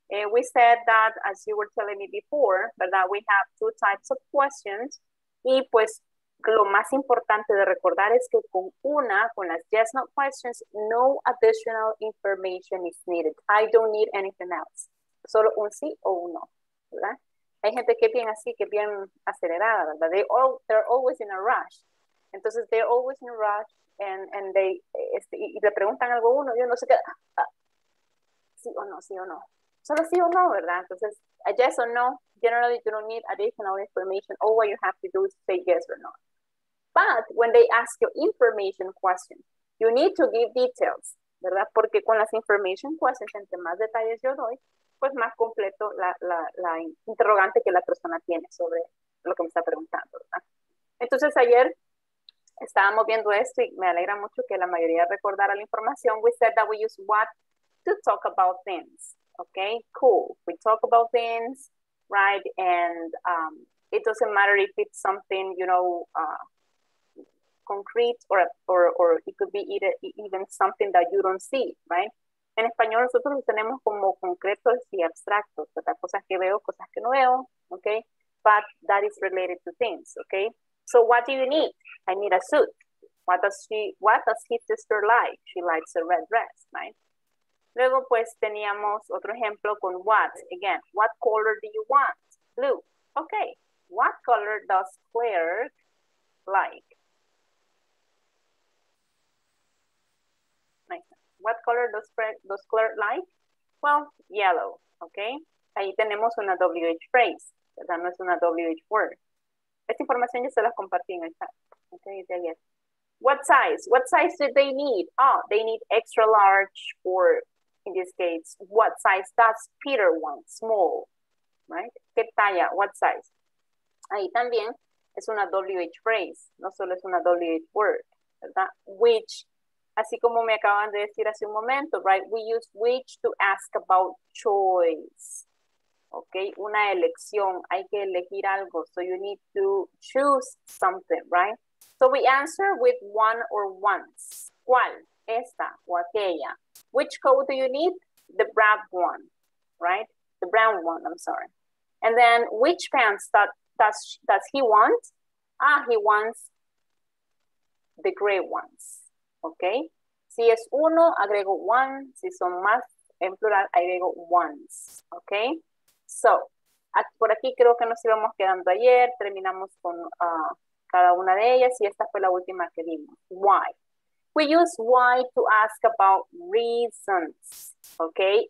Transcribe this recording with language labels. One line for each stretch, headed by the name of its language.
English: We said that, as you were telling me before, but that we have two types of questions,
Spanish: y pues, lo más importante de recordar es que con una, con las
English: yes, no questions, no additional information is needed. I don't need anything else.
Spanish: Solo un sí o un no,
English: ¿verdad?
Spanish: Hay gente que es bien así, que es bien acelerada, ¿verdad?
English: They're always in a rush.
Spanish: Entonces,
English: they're always in a rush and they,
Spanish: y le preguntan algo a uno, yo no sé qué. Sí o no, sí o no. Solo sí o no, ¿verdad?
English: Entonces, a yes or no, generally you don't need additional information. All what you have to do is say yes or no. But when they ask you information questions, you need to give details, ¿verdad?
Spanish: Porque con las information questions, entre más detalles yo doy, pues más completo la interrogante que la persona tiene sobre lo que me está preguntando, ¿verdad? Entonces, ayer estábamos viendo esto y me alegra mucho que la mayoría recordara la información.
English: We said that we use what to talk about things. Okay, cool. We talk about things, right? And it doesn't matter if it's something, you know, concrete or it could be even something that you don't see, right?
Spanish: En español nosotros tenemos como concretos y abstractos, ¿verdad? Cosas que veo, cosas que no veo, okay?
English: But that is related to things, okay? So what do you need? I need a suit. What does his sister like? She likes a red dress, right?
Spanish: Luego, pues, teníamos otro ejemplo con
English: what. Again, what color do you want? Blue. Okay. What color does Claire like? What color does Claire like? Well, yellow. Okay.
Spanish: Ahí tenemos una WH phrase. ¿verdad? No es una WH word. Esta información ya se las compartí en el chat.
English: Okay,
Spanish: de ayer.
English: What size? What size do they need? Oh, they need extra large, or in this case, what size does Peter want? Small, right?
Spanish: ¿Qué talla?
English: What size?
Spanish: Ahí también es una WH phrase, no solo es una WH word, ¿verdad? Which, así como me acaban de decir hace un momento, right?
English: We use which to ask about choice. Ok,
Spanish: una elección, hay que elegir algo.
English: So you need to choose something, right? So we answer with one or once.
Spanish: ¿Cuál? Esta o aquella.
English: Which code do you need? The brown one, right? The brown one, I'm sorry. And then which pants does he want? Ah, he wants the gray ones, ok?
Spanish: Si es uno, agrego one. Si son más, en plural, agrego once, ok? So, por aquí creo que nos íbamos quedando ayer. Terminamos con cada una de ellas y esta fue la última que vimos.
English: Why? We use why to ask about reasons, okay?